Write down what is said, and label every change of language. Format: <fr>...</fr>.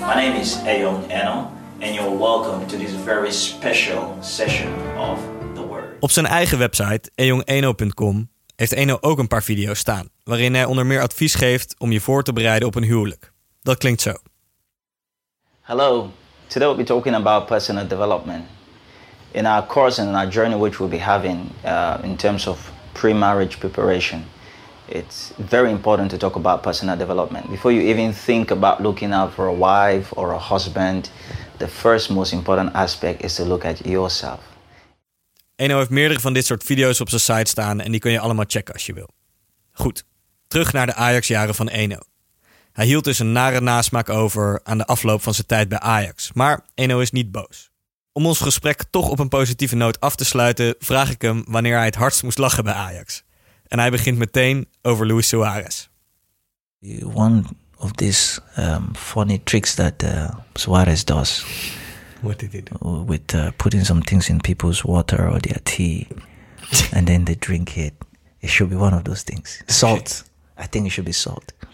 <en>My name is Eyong Eno, and you're welcome to this very special session of the Word.</en> <nl>Op zijn eigen website, eyongeno.com, heeft Eno ook een paar video's staan, waarin hij onder meer advies geeft om je voor te bereiden op een huwelijk. Dat klinkt zo.</nl> <en>Hello, today we'll be talking about personal development. In our course and in our journey which we'll be having in terms of pre-marriage preparation, it's very important to talk about personal development. Before you even think about looking out for a wife or a husband, the first most important aspect is to look at yourself.</en> <nl>Eno heeft meerdere van dit soort video's op zijn site staan en die kun je allemaal checken als je wil. Goed, terug naar de Ajax-jaren van Eno. Hij hield dus een nare nasmaak over aan de afloop van zijn tijd bij Ajax, maar Eno is niet boos. Om ons gesprek toch op een positieve noot af te sluiten, vraag ik hem wanneer hij het hardst moest lachen bij Ajax. En hij begint meteen over Luis Suarez.</nl> <en>One of these funny tricks that Suarez does. What did he do? With putting some things in people's water or their tea. And then they drink it. It should be one of those things. Salt. I think it should be salt.</en>